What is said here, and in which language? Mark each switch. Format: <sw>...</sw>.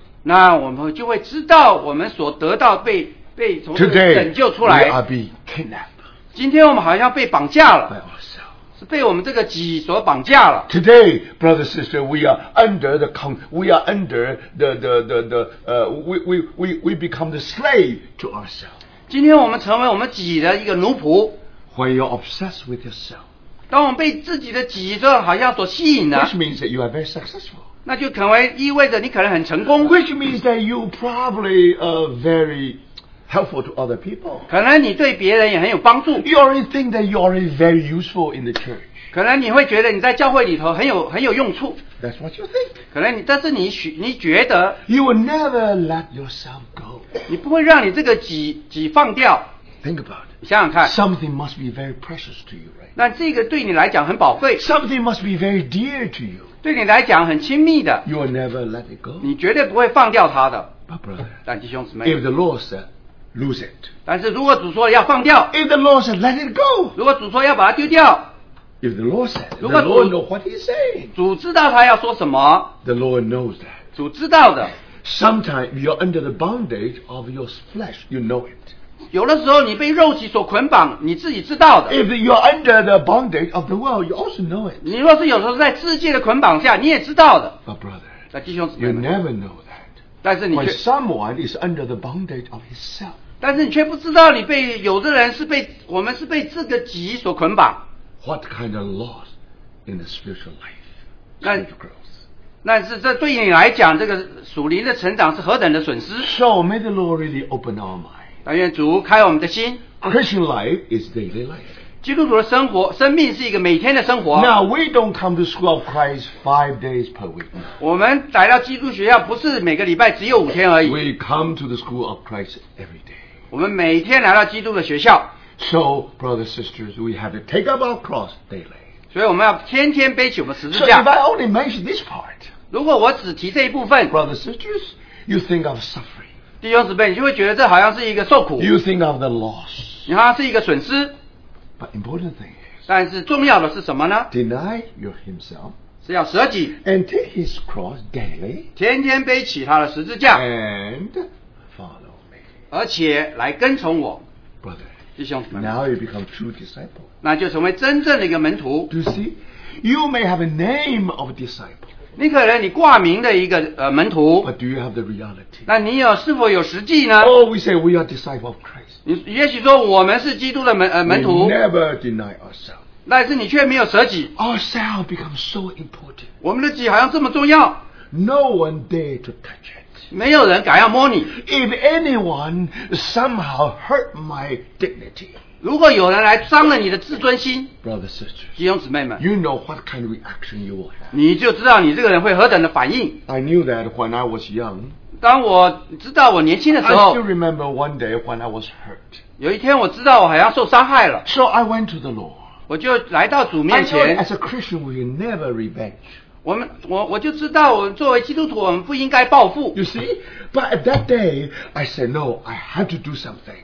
<zh>那我们就会知道我们所得到被从拯救出来,</zh> <en>today, we are being kidnapped.</en> <zh>今天我们好像被绑架了,</zh> <en>by ourselves.</en> <zh>是被我们这个己所绑架了。</zh> <en>Today, brothers and sisters, we are under the we become the slave to ourselves.</en> <zh>今天我们成为我们己的一个奴仆,</zh> <en>when you're obsessed with yourself,</en> <zh>当我们被自己的己好像所吸引了,</zh> <en>which means that you are very successful,</en> <zh>那就可能意味着你可能很成功,</zh> <en>which means that you probably are very helpful to other people,</en> <zh>可能你对别人也很有帮助,</zh> <en>you already think that you are very useful in the church,</en> <zh>可能你会觉得你在教会里头很有用处,</zh> <en>that's what you think,</en> <zh>可能这是你觉得,</zh> <en>you will never let yourself go,</en> <zh>你不会让你这个己放掉,</zh> <en>think about it,</en> <zh>想想看,</zh> <en>something must be very precious to you, right?</en> <zh>那这个对你来讲很宝贵,</zh> <en>something must be very dear to you,</en> <zh>对你来讲很亲密的,</zh> <en>you will never let it go,</en> <zh>你绝对不会放掉它的,</zh> <en>but brother,</en> <zh>但弟兄姊妹,</zh> <en>if the Lord said lose it,</en> <zh>但是如果主说要放掉,</zh> <en>if the Lord said let it go,</en> <zh>如果主说要把它丢掉,</zh> <en>if the Lord said, the Lord will know what he's saying.</en> <zh>主知道他要说什么,</zh> <en>the Lord knows that.</en> <zh>主知道的,</zh> <en>sometimes you're under the bondage of your flesh, you know it.</en> <zh>有的时候你被肉体所捆绑，你自己知道的。</zh> <en>If you are under the bondage of the world, you also know it.</en> <zh>你若是有时候在世界的捆绑下，你也知道的。</zh> <en>But brother,</en> <zh>那弟兄姊妹，</zh> <en>you never know that.</en> <zh>但是你却</zh> <en>When someone is under the bondage of himself.</en> <zh>但是你却不知道你被有的人是被我们是被自个己所捆绑。</zh> <en>What kind of loss in the spiritual life?</en> <zh>但是这对你来讲，这个属灵的成长是何等的损失。</zh> <en>So may the Lord really open our mind.</en> <zh>但愿主开我们的心。</zh> <en>Christian life is daily life.</en> <zh>基督徒的生活，生命是一个每天的生活。</zh> <en>Now we don't come to school of Christ 5 days per week.</en> <zh>我们来到基督学校不是每个礼拜只有五天而已。</zh> <en>We come to the school of Christ every day.</en> <zh>我们每天来到基督的学校。</zh> <en>So, brothers and sisters, we have to take up our cross daily.</en> <zh>所以我们要天天背起我们十字架。</zh> <en>So if I only mention this part,</en> <zh>如果我只提这一部分</zh> <en>，brothers and sisters, you think of suffering.</en> <zh>弟兄姊妹，你就会觉得这好像是一个受苦。</zh> <en>You think of the loss.</en> <zh>你好像是一个损失。</zh> <en>But important thing is.</en> <zh>但是重要的是什么呢</zh> <en>？Deny yourself.</en> <zh>是要舍己。</zh> <en>And take his cross daily.</en> <zh>天天背起他的十字架。</zh> <en>And follow me.</en> <zh>而且来跟从我。</zh> <en>Brother.</en> <zh>弟兄姊妹。</zh> <en>Now you become true disciple.</en> <zh>那就成为真正的一个门徒。</zh> <en>Do you see? You may have a name of a disciple.</en> <zh>你可能你挂名的一个门徒</zh> <en>But do you have the reality?</en> <zh>那你有是否有实际呢</zh> <en>Oh, we say we are disciples of Christ.</en> <zh>你也许说我们是基督的 门徒</zh> <en>We never deny ourselves.</en> <zh>但是你却没有舍己</zh> <en>Ourself becomes so important.</en> <zh>我们的己好像这么重要</zh> <en>No one dare to touch it.</en> <zh>没有人敢要摸你</zh> <en>If anyone somehow hurt my dignity.</en> <zh>如果有人来伤了你的自尊心</zh> <en>Brothers, sisters,</en> <zh>弟兄姊妹们</zh> <en>You know what kind of reaction you will have.</en> <zh>你就知道你这个人会何等的反应。</zh> <en>I knew that when I was young.</en> <zh>当我知道我年轻的时候。</zh> <en>I still remember one day when I was hurt.</en> <zh>有一天我知道我好像受伤害了。</zh> <en>So I went to the Lord.</en> <zh>我就来到主面前。</zh> <en>As a Christian, we never revenge.</en> <zh>我就知道我作为基督徒我们不应该报复。</zh> <en>You see? But at that day, I said, no, I had to do something.</en>